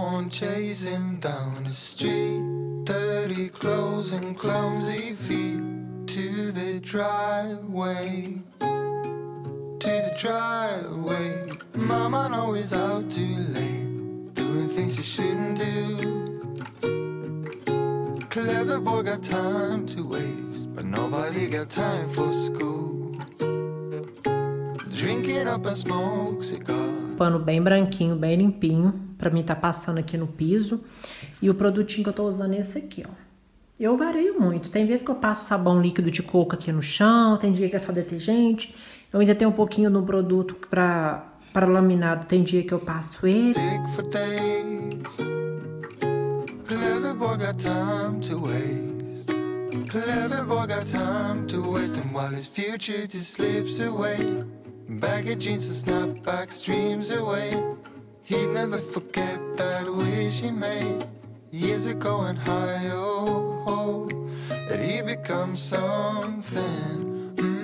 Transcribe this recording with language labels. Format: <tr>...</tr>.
<en>Chase him down the street, dirty clothes and clumsy feet to the driveway, to the driveway. Mama know he's out too late, doing things he shouldn't do. clever boy got time to waste, but nobody got time for school. Drinking up a smoke cigar.</en> <pt>Pano bem branquinho, bem limpinho, pra mim tá passando aqui no piso. E o produtinho que eu tô usando é esse aqui, ó. Eu vario muito. Tem vezes que eu passo sabão líquido de coco aqui no chão, tem dia que é só detergente. Eu ainda tenho um pouquinho do produto pra laminado, tem dia que eu passo ele.</pt> <en>Take for days. Clever boy got time to waste. Clever boy got time to waste. And while his future just slips away. Baggy jeans and snapback streams away. He'd never forget that wish he made years ago and high, oh, oh, that he'd become something.</en>